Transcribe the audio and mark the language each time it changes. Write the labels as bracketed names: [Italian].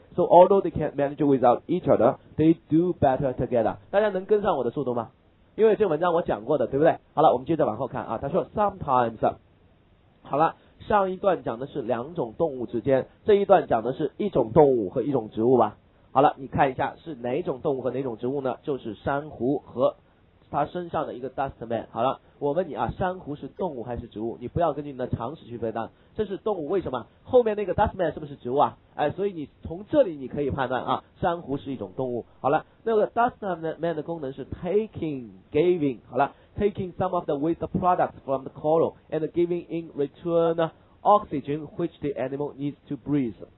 [English] So although they can't manage without each other, they do better together. [Chinese] 大家能跟上我的速度吗？因为这文章我讲过的，对不对？好了，我们接着往后看啊。他说 sometimes. 好了，上一段讲的是两种动物之间，这一段讲的是一种动物和一种植物吧。好了，你看一下是哪种动物和哪种植物呢？就是珊瑚和它身上的一个 dust man。好了，我问你啊，珊瑚是动物还是植物？你不要根据你的常识去回答。这是动物，为什么？后面那个 dust man 是不是植物啊？哎，所以你从这里你可以判断啊，珊瑚是一种动物。好了，那个 [English] dust man [Chinese] 的功能是 [English] taking, giving, [Chinese] 好了， [English] taking some of the waste products from the coral and giving in return oxygen which the animal needs to breathe。